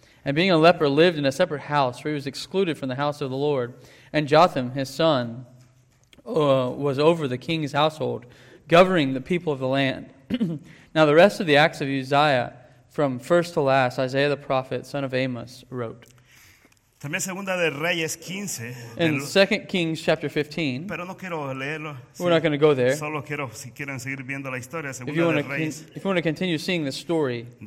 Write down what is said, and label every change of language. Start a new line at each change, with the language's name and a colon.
English: And being a leper, lived in a separate house, for he was excluded from the house of the Lord. And Jotham, his son, was over the king's household, governing the people of the land. Now the rest of the acts of Uzziah, from first to last, Isaiah the prophet, son of Amos, wrote."
Spanish: También Segunda de Reyes 15.
English: In 2 Kings chapter 15.
Spanish: Pero no quiero leerlo.
English: We're not going to go there.
Spanish: Solo quiero, si quieren seguir viendo la historia, Segunda de Reyes.
English: If you want to continue seeing the story.